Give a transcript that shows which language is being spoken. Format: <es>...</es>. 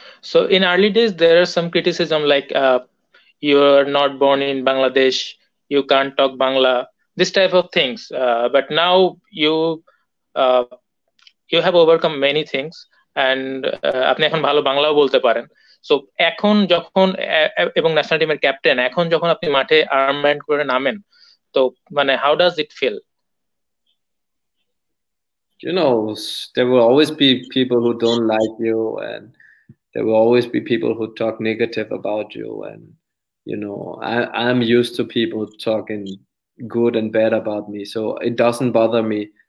<en>So in early days, there are some criticism like you're not born in Bangladesh, you can't talk Bangla, this type of things. But now you have overcome many things, and</en> <bn>আপনি এখন ভালো বাংলাও বলতে পারেন. So এখন যখন এবং national টিমের ক্যাপ্টেন, এখন যখন আপনি মাঠে আর্মব্যান্ড করে নামেন, তো মানে</bn> <en>How does it feel? You know, there will always be people who don't like you, and there will always be people who talk negative about you. And, you know, I'm used to people talking good and bad about me, so it doesn't bother me.</en>